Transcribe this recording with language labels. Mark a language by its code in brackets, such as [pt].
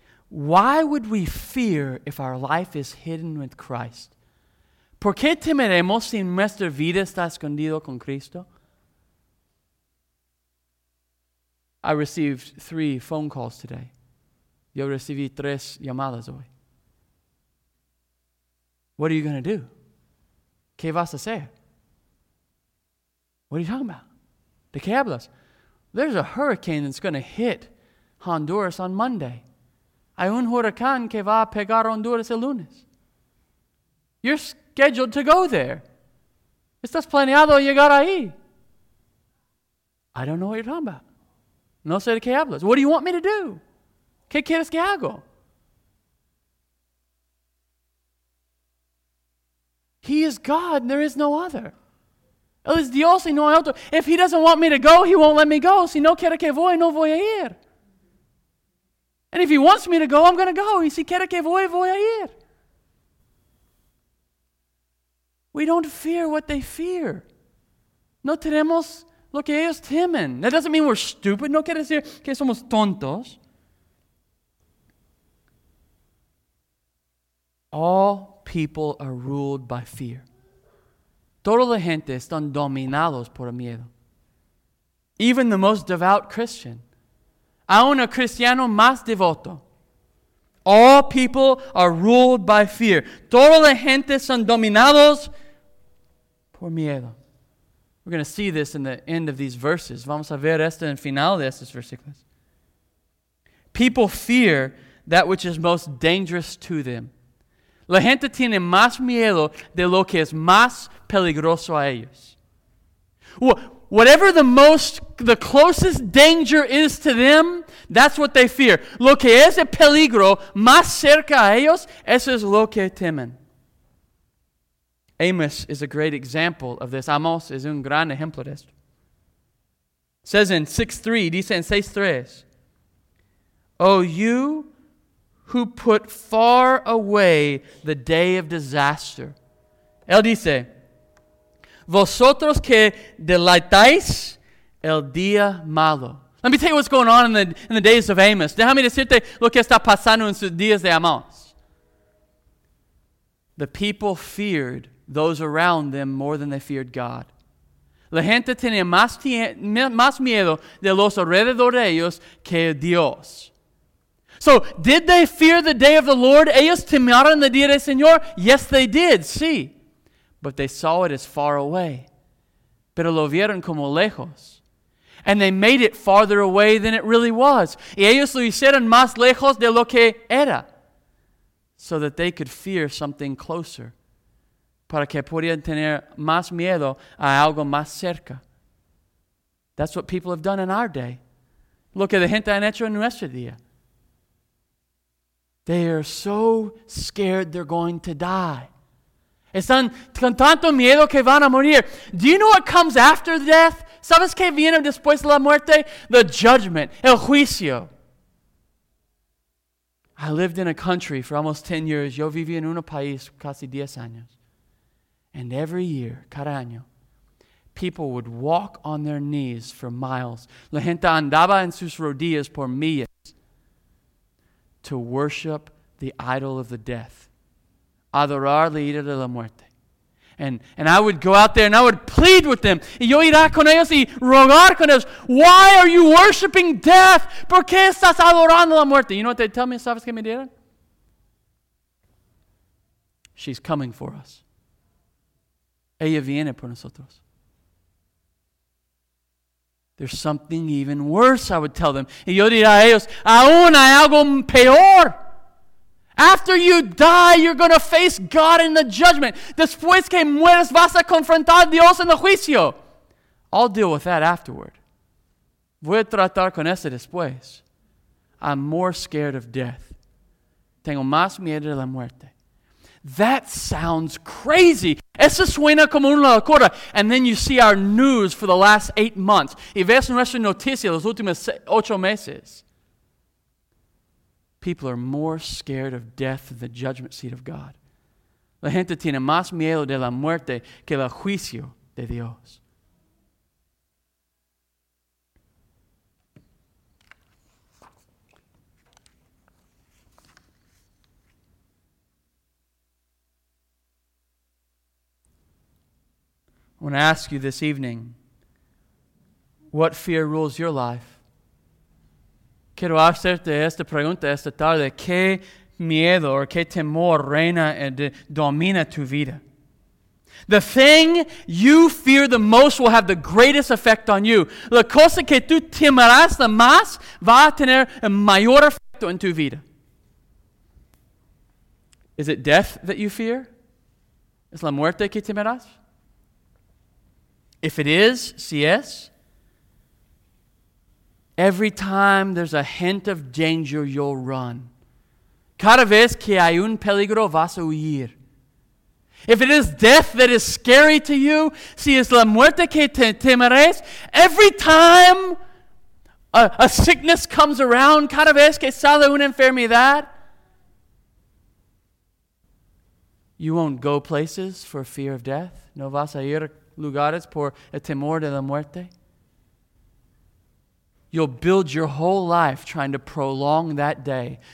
[en] Why would we fear if our life is hidden with Christ? [es] ¿Por qué temeremos si nuestra vida está escondida con Cristo? [en] I received 3 phone calls today. [es] Yo recibí 3 llamadas hoy. [en] What are you going to do? [es] ¿Qué vas a hacer? [en] What are you talking about? [es] ¿De qué hablas? [en] There's a hurricane that's going to hit Honduras on Monday. [es] Hay un huracán que va a pegar Honduras el lunes. [en] You're scheduled to go there. [es] ¿Estás planeado llegar ahí? [en] I don't know what you're talking about. [es] No sé de qué hablas. [en] What do you want me to do? [es] ¿Qué quieres que hago? [en] He is God and there is no other. [es] Él es Dios y no hay otro. [en] If he doesn't want me to go, he won't let me go. [es] Si no quiere que voy, no voy a ir. [en] And if he wants me to go, I'm going to go. [es] Y si quiere que voy, voy a ir. [en] We don't fear what they fear. [es] No tenemos lo que ellos temen. [en] That doesn't mean we're stupid. [es] No quiere decir que somos tontos. [en] All people are ruled by fear. [es] Toda la gente están dominados por el miedo. [en] Even the most devout Christian. [es] Aún el cristiano más devoto. [en] All people are ruled by fear. [es] Toda la gente están dominados por miedo. [en] We're going to see this in the end of these verses. [es] Vamos a ver esto en el final de estos versículos. [en] People fear that which is most dangerous to them. [es] La gente tiene más miedo de lo que es más peligroso a ellos. [en] Whatever the closest danger is to them, that's what they fear. [es] Lo que es el peligro más cerca a ellos, eso es lo que temen. [en] Amos is a great example of this. [es] Amos es un gran ejemplo de esto. [en] Says in 6:3, [es] dice en 6:3, [en] O you who put far away the day of disaster. [es] Él dice, vosotros que deleitáis el día malo. [en] Let me tell you what's going on in the days of Amos. [es] Déjame decirte lo que está pasando en sus días de Amos. [en] The people feared those around them more than they feared God. [es] La gente tenía más miedo de los alrededor de ellos que Dios. [en] So, did they fear the day of the Lord? [es] Ellos temieron el día del Señor? [en] Yes, they did, [es] sí. [en] But they saw it as far away. [es] Pero lo vieron como lejos. [en] And they made it farther away than it really was. [es] Y ellos lo hicieron más lejos de lo que era. [en] So that they could fear something closer. [es] para que pudieran tener más miedo a algo más cerca. [en] That's what people have done in our day. [es] Lo que la gente han hecho en nuestro día. [en] They are so scared they're going to die. [es] Están con tanto miedo que van a morir. [en] Do you know what comes after death? [es] ¿Sabes qué viene después de la muerte? [en] The judgment, [es] el juicio. [en] I lived in a country for almost 10 years. [es] Yo viví en un país casi 10 años. [en] And every year, [es] cada año, [en] people would walk on their knees for miles. [es] La gente andaba en sus rodillas por millas [en] to worship the idol of the death. [es] Adorar la ira de la muerte. [en] And I would go out there and I would plead with them. [es] Y yo irá con ellos y rogar con ellos. [en] Why are you worshiping death? [es] ¿Por qué estás adorando la muerte? [en] You know what they tell me? [es] ¿Sabes qué me dieron? [en] She's coming for us. [es] Ella viene por nosotros. [en] There's something even worse, I would tell them. [es] Y yo dirá a ellos, aún hay algo peor. [en] After you die, you're going to face God in the judgment. [es] Después que mueres, vas a confrontar a Dios en el juicio. [en] I'll deal with that afterward. [es] Voy a tratar con eso después. [en] I'm more scared of death. [es] Tengo más miedo de la muerte. [en] That sounds crazy. [es] Eso suena como una locura. [en] And then you see our news for the last 8 months. [es] Y ves nuestra noticia los últimos 8 meses. [en] People are more scared of death than the judgment seat of God. [es] La gente tiene más miedo de la muerte que el juicio de Dios. [en] I want to ask you this evening, what fear rules your life? [es] Quiero hacerte esta pregunta esta tarde. ¿Qué miedo o qué temor reina y domina tu vida? [en] The thing you fear the most will have the greatest effect on you. [es] La cosa que tú temerás la más va a tener el mayor efecto en tu vida. [en] Is it death that you fear? [es] ¿Es la muerte que temerás? [en] If it is, [es] si es, [en] every time there's a hint of danger, you'll run. [es] Cada vez que hay un peligro, vas a huir. [en] If it is death that is scary to you, [es] si es la muerte que temerás, [en] every time a sickness comes around, [es] cada vez que sale una enfermedad, [en] you won't go places for fear of death. [es] No vas a ir lugares por el temor de la muerte. [en] You'll build your whole life trying to prolong that day.